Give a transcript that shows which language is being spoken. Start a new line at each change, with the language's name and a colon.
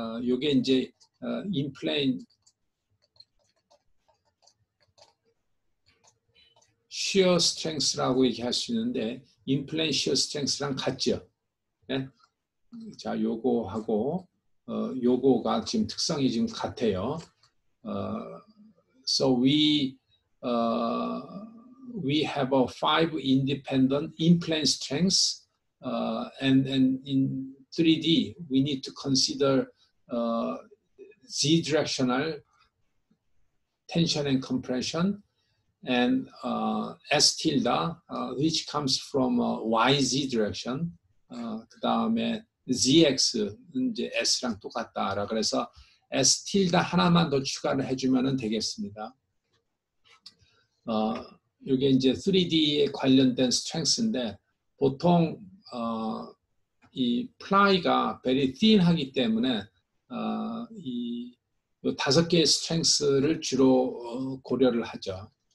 Korean: 요게 이제 in plane shear strength라고 얘기할 수 있는데 in plane shear strength랑 같죠. 네? 자, 요거 하고 요거가 지금 특성이 지금 같아요.
English: So we have a five independent in-plane strengths, and in 3D we need to consider z-directional tension and compression, and s tilde which comes from yz direction.
Korean: 그다음에 ZX는 이제 S랑 똑같다라 그래서 S 틸다 하나만 더 추가를 해주면 되겠습니다. 이게 이제 3D에 관련된 스트렝스인데 보통 이 플라이가 very thin하기 때문에 이 다섯 개의 스트렝스를 주로 고려를 하죠.